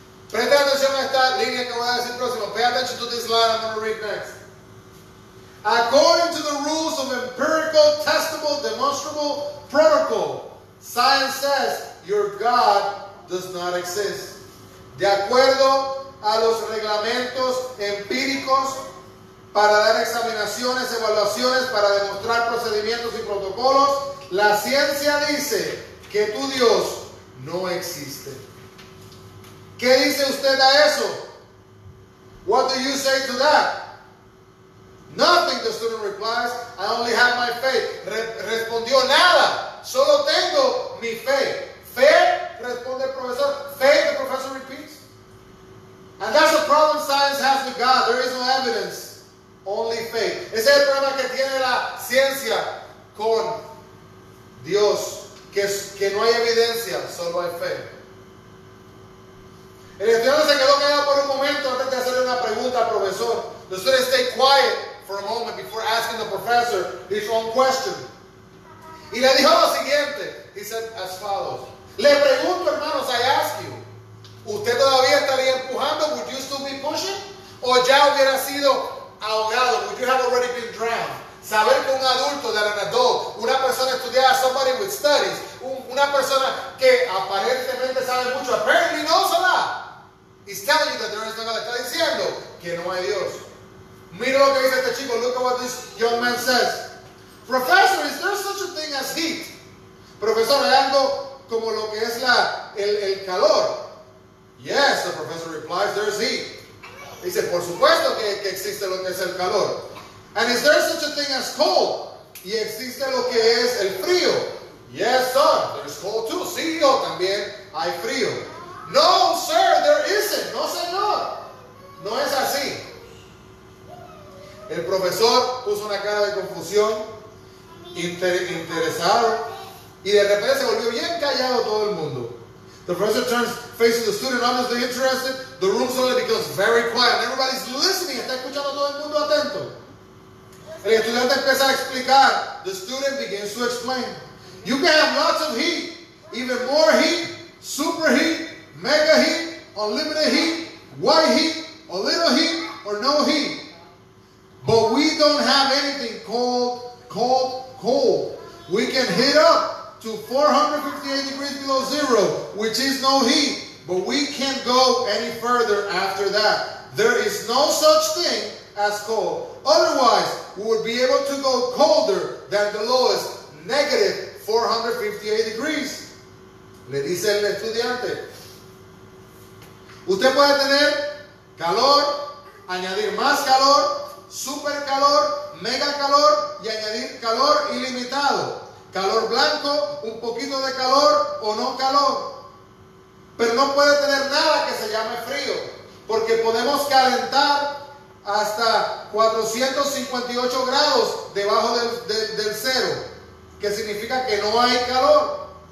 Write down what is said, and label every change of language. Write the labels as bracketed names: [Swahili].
[Spanish] Presta atención a esta línea que voy a decir próximo. [English] Pay attention to this line I'm going to read next. According to the rules of empirical, testable, demonstrable protocol, science says your God does not exist. [Spanish] De acuerdo a los reglamentos empíricos para dar examinaciones, evaluaciones, para demostrar procedimientos y protocolos, la ciencia dice que tu Dios no existe. ¿Qué dice usted a eso? [English] What do you say to that? Nothing, the student replies. I only have my faith. [Spanish] Respondió, nada. Solo tengo mi fe. Fe, responde el profesor. [English] Fe, the professor repeats. And that's the problem science has with God. There is no evidence. Only faith. [Spanish] Ese es el problema que tiene la ciencia con Dios. Que no hay evidencia, solo hay fe. El estudiante se quedó callado por un momento antes de hacerle una pregunta al profesor. [English] The student stay quiet for a moment before asking the professor his own question. [Spanish] Y le dijo lo siguiente. [English] He said as follows. [Spanish] Le pregunto, hermanos, [English] I ask you. [Spanish] ¿Usted todavía estaría empujando? [English] Would you still be pushing? [Spanish] ¿O ya hubiera sido ahogado? [English] Would you have already been drowned? [Spanish] Saber que un adulto, [English] that an adult, [Spanish] una persona estudiada, [English] somebody with studies, [Spanish] una persona que aparentemente sabe mucho, [English] apparently knows a lot, is telling you that there is no God. [Spanish] Está diciendo que no hay Dios. Mira lo que dice este chico. [English] Look at what this young man says. Professor, is there such a thing as heat? [Spanish] Profesor, ¿hay algo como lo que es el calor? [English] Yes, the professor replies, there is heat. [Spanish] Dice, por supuesto que existe lo que es el calor. [English] And is there such a thing as cold? [Spanish] ¿Y existe lo que es el frío? [English] Yes, sir, there is cold too. [Spanish] Sí, yo también hay frío. [English] No, sir, there isn't. [Spanish] No, señor. No es así. El profesor puso una cara de confusión, interesado, y de repente se volvió bien callado todo el mundo. [English] The professor turns facing the student, obviously interested. The room suddenly becomes very quiet. Everybody's listening. [Spanish] Está escuchando todo el mundo atento. El estudiante empieza a explicar. [English] The student begins to explain. You can have lots of heat, even more heat, super heat, mega heat, unlimited heat, white heat, a little heat, or no heat. But we don't have can heat up to 458 degrees below zero, which is no heat, but we can't go any further after that. There is no such thing as cold. Otherwise, we would be able to go colder than the lowest, negative 458 degrees. [Spanish] Le dice el estudiante. Usted puede tener calor, añadir más calor, super calor, mega calor y añadir calor ilimitado. Calor blanco, un poquito de calor o no calor. Pero no puede tener nada que se llame frío, porque podemos calentar hasta 458 grados debajo del cero, que significa que no hay calor.